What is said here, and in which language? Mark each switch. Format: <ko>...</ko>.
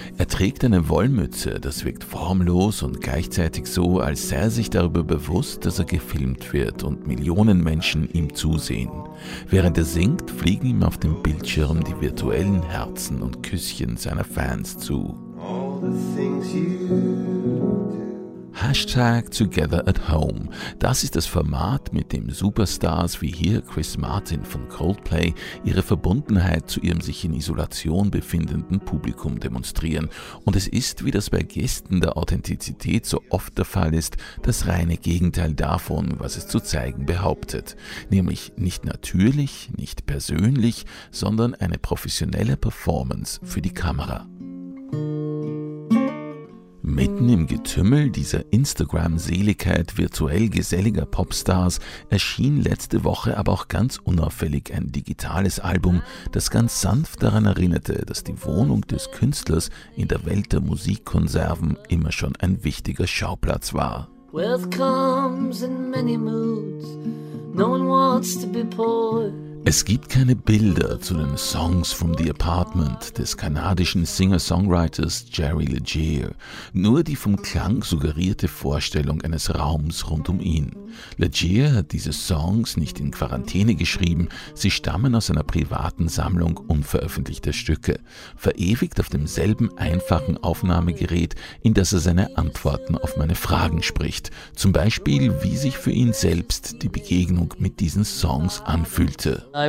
<de>Er trägt eine Wollmütze, das wirkt formlos und gleichzeitig so, als sei er sich darüber bewusst, dass er gefilmt wird und Millionen Menschen ihm zusehen. Während er singt, fliegen ihm auf dem Bildschirm die virtuellen Herzen und Küsschen seiner Fans zu.</de> <en>All the things you Hashtag Together at Home.</en> <de>Das ist das Format, mit dem Superstars wie hier Chris Martin von Coldplay ihre Verbundenheit zu ihrem sich in Isolation befindenden Publikum demonstrieren. Und es ist, wie das bei Gästen der Authentizität so oft der Fall ist, das reine Gegenteil davon, was es zu zeigen behauptet. Nämlich nicht natürlich, nicht persönlich, sondern eine professionelle Performance für die Kamera. Mitten im Getümmel dieser Instagram-Seligkeit virtuell geselliger Popstars erschien letzte Woche aber auch ganz unauffällig ein digitales Album, das ganz sanft daran erinnerte, dass die Wohnung des Künstlers in der Welt der Musikkonserven immer schon ein wichtiger Schauplatz war.</de> <en>Wealth comes in many moods. No one wants to be poor.</en> <de>Es gibt keine Bilder zu den Songs from the Apartment des kanadischen Singer-Songwriters Jerry Leger, nur die vom Klang suggerierte Vorstellung eines Raums rund um ihn. Leger hat diese Songs nicht in Quarantäne geschrieben, sie stammen aus einer privaten Sammlung unveröffentlichter Stücke, verewigt auf demselben einfachen Aufnahmegerät, in das er seine Antworten auf meine Fragen spricht, zum Beispiel wie sich für ihn selbst die Begegnung mit diesen Songs anfühlte.</de>